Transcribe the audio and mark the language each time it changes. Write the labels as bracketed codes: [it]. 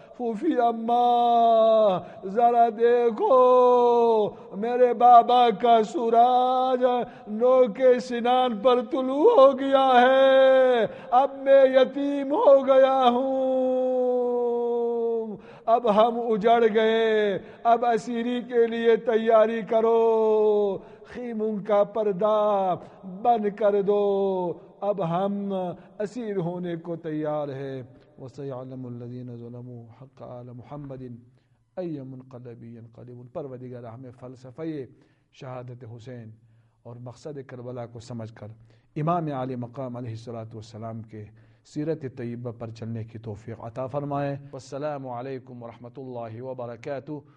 [ur] فوفی اممہ ذرا دیکھو میرے بابا کا سوراج نوک سنان پر طلوع ہو گیا ہے, اب میں یتیم ہو گیا ہوں, اب ہم اجڑ گئے, اب اسیری کے لیے تیاری کرو, خیموں کا پردہ بند کر دو, اب ہم اسیر ہونے کو تیار ہے. [ar] وسيعلم الذين ظلموا حق آل محمد أي منقلب ينقلب. [ur] پروردگار ہمیں فلسفہ شہادت حسین اور مقصد کربلا کو سمجھ کر امام عالی مقام علیہ الصلاۃ والسلام کے سیرت طیبہ پر چلنے کی توفیق عطا فرمائے. والسلام علیکم ورحمۃ اللہ وبرکاتہ.